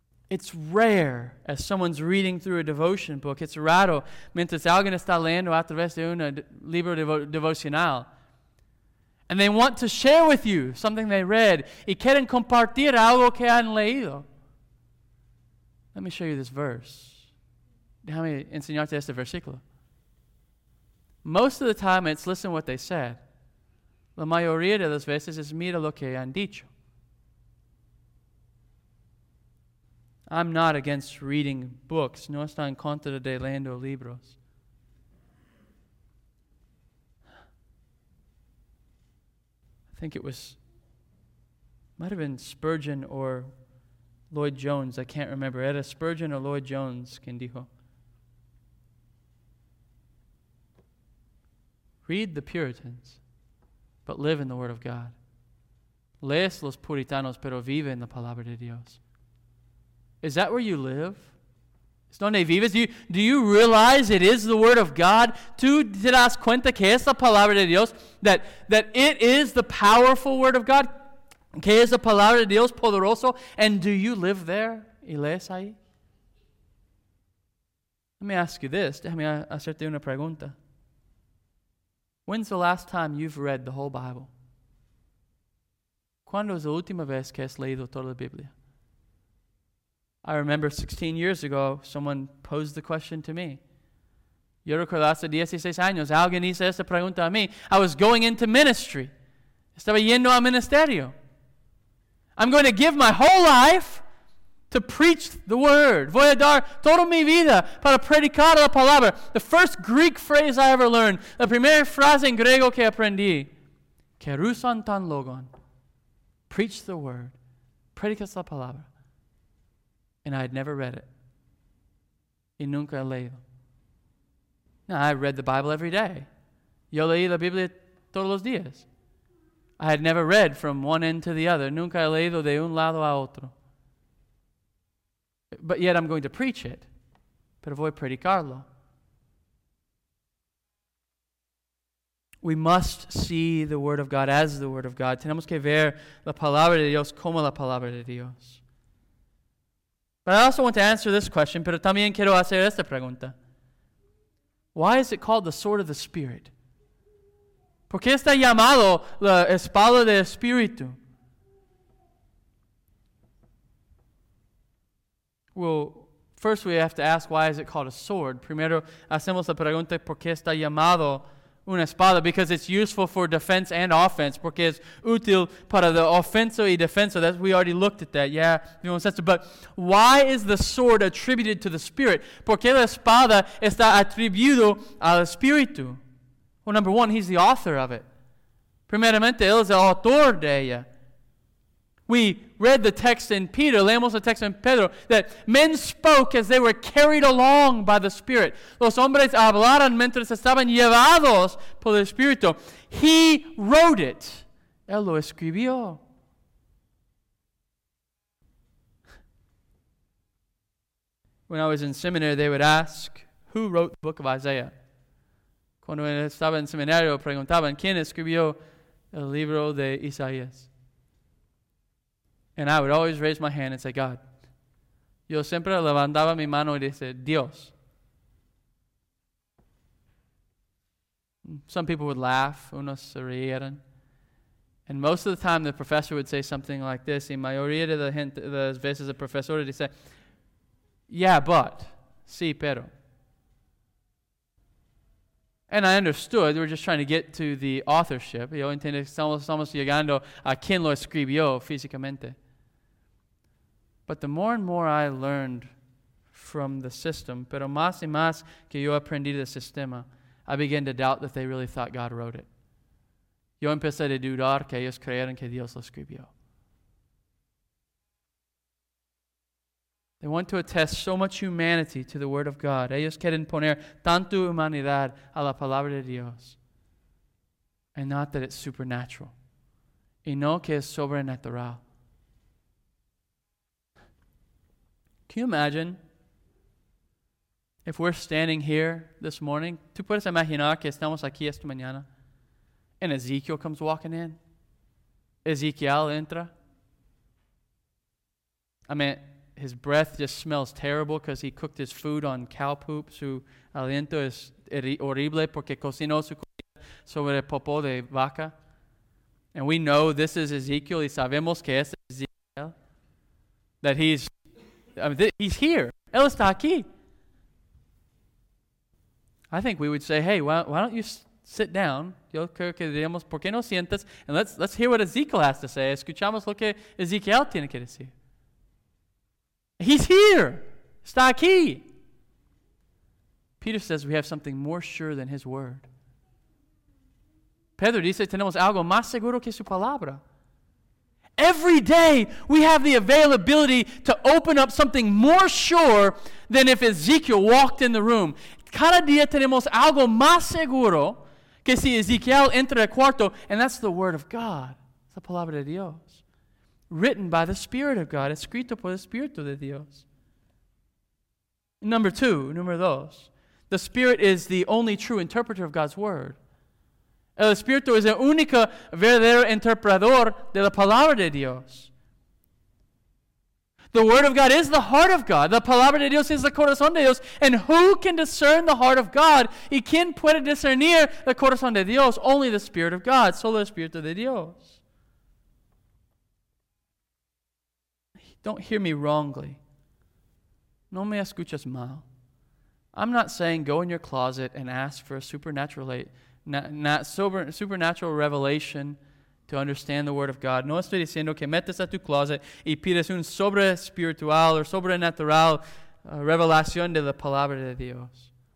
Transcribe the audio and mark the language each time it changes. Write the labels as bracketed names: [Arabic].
[English] It's rare as someone's reading through a devotion book. [Spanish] It's raro mientras alguien está leyendo a través de un libro devocional. [English] And they want to share with you something they read. [Spanish] Y quieren compartir algo que han leído. [English] Let me show you this verse. [Spanish] Déjame enseñarte este versículo. [English] Most of the time, it's listen what they said. [Spanish] La mayoría de las veces es mira lo que han dicho. [English] I'm not against reading books. [Spanish] No está en contra de leyendo libros. [English] I think it was, might have been Spurgeon or Lloyd-Jones. I can't remember. [Spanish] Era Spurgeon [English] or [Spanish] Lloyd-Jones quien dijo. [English] Read the Puritans, but live in the Word of God. [Spanish] Lees los Puritanos, pero vive en la Palabra de Dios. [English] Is that where you live? [Spanish] ¿Es donde vives? [English] Do you realize it is the Word of God? [Spanish] ¿Tú te das cuenta que es la Palabra de Dios? [English] That it is the powerful Word of God? [Spanish] ¿Que es la Palabra de Dios poderoso? [English] And do you live there? [Spanish] ¿Y lees ahí? [English] Let me ask you this. [Spanish] Déjame hacerte una pregunta. [English] When's the last time you've read the whole Bible? [Spanish] ¿Cuándo es la última vez que has leído toda la Biblia? [English] I remember 16 years ago, someone posed the question to me. [Spanish] Yo recuerdo hace 16 años, alguien hizo esta pregunta a mí. [English] I was going into ministry. [Spanish] Estaba yendo al ministerio. [English] I'm going to give my whole life to preach the word. [Spanish] Voy a dar toda mi vida para predicar la palabra. [English] The first Greek phrase I ever learned. [Spanish] La primera frase en griego que aprendí. Kerusantan logon. [English] preach the word, [Spanish] predicas la palabra. [English] And I had never read it. [Spanish] Y nunca he leído. [English] Now, I read the Bible every day. [Spanish] Yo leí la Biblia todos los días. [English] I had never read from one end to the other. [Spanish] Nunca he leído de un lado a otro. [English] But yet I'm going to preach it. [Spanish] Pero voy a predicarlo. [English] We must see the Word of God as the Word of God. [Spanish] Tenemos que ver la Palabra de Dios como la Palabra de Dios. [English] But I also want to answer this question, [Spanish] pero también quiero hacer esta pregunta. [English] Why is it called the sword of the Spirit? [Spanish] ¿Por qué está llamado la espada del Espíritu? [English] Well, first we have to ask, why is it called a sword? [Spanish] Primero, hacemos la pregunta, ¿por qué está llamado una espada? [English] Because it's useful for defense and offense. [Spanish] Porque es útil para la ofensa y defensa. [English] That's, we already looked at that. Yeah, [Spanish] vimos eso. [English] But why is the sword attributed to the Spirit? [Spanish] Porque la espada está atribuido al Espíritu. [English] Well, number one, he's the author of it. [Spanish] Primeramente, él es el autor de ella. [English] We read the text in Peter, [Spanish] leemos el texto en Pedro, [English] that men spoke as they were carried along by the Spirit. [Spanish] Los hombres hablaron mientras estaban llevados por el Espíritu. [English] He wrote it. [Spanish] Él lo escribió. [English] When I was in seminary, they would ask, who wrote the book of Isaiah? [Spanish] Cuando estaba en seminario, preguntaban, ¿quién escribió el libro de Isaías? [English] And I would always raise my hand and say, God. [Spanish] Yo siempre levantaba mi mano y dice, Dios. [English] Some people would laugh. [Spanish] Unos se rieron. [English] And most of the time, the professor would say something like this. [Spanish] Y mayoría de la gente, de las veces, el profesor [English] would say, yeah, but. [Spanish] Sí, pero. [English] And I understood. We were just trying to get to the authorship. [Spanish] Yo entiendo que estamos llegando a quien lo escribió físicamente. [English] But the more and more I learned from the system, [Spanish] pero más y más que yo aprendí del sistema, [English] I began to doubt that they really thought God wrote it. [Spanish] Yo empecé a dudar que ellos creyeron que Dios lo escribió. [English] They want to attest so much humanity to the Word of God. [Spanish] Ellos quieren poner tanto humanidad a la Palabra de Dios. [English] And not that it's supernatural. [Spanish] Y no que es sobrenatural. [English] Can you imagine if we're standing here this morning? [Spanish] ¿Tú puedes imaginar que estamos aquí esta mañana? [English] And Ezekiel comes walking in. [Spanish] Ezekiel entra. [English] I mean, his breath just smells terrible because he cooked his food on cow poop. [Spanish] Su aliento es horrible porque cocinó su comida sobre el popó de vaca. [English] And we know this is Ezekiel [Spanish] y sabemos que es Ezekiel. [English] That he's... I mean, he's here. [Spanish] Él está aquí. [English] I think we would say, hey, why don't you sit down? [Spanish] Yo creo que diríamos, ¿por qué no sientas? [English] And let's hear what Ezekiel has to say. [Spanish] Escuchamos lo que Ezekiel tiene que decir. [English] He's here. [Spanish] Está aquí. [English] Peter says we have something more sure than his word. [Spanish] Pedro dice, tenemos algo más seguro que su palabra. [English] Every day, we have the availability to open up something more sure than if Ezekiel walked in the room. [Spanish] Cada día tenemos algo más seguro que si Ezekiel entra el cuarto, [English] and that's the Word of God, [Spanish] la Palabra de Dios, [English] written by the Spirit of God, [Spanish] escrito por el Espíritu de Dios. Número dos, [English] the Spirit is the only true interpreter of God's Word. [Spanish] El Espíritu es el único verdadero interpretador de la Palabra de Dios. [English] The Word of God is the heart of God. [Spanish] La Palabra de Dios es el corazón de Dios. [English] And who can discern the heart of God? [Spanish] ¿Y quién puede discernir el corazón de Dios? [English] Only the Spirit of God. [Spanish] Solo el Espíritu de Dios. [English] Don't hear me wrongly. [Spanish] No me escuchas mal. [English] I'm not saying go in your closet and ask for a supernatural aid. Supernatural revelation to understand the Word of God. [Spanish] No estoy diciendo que metes a tu closet y pides un sobre espiritual [English] or [Spanish] sobrenatural revelación de la Palabra de Dios.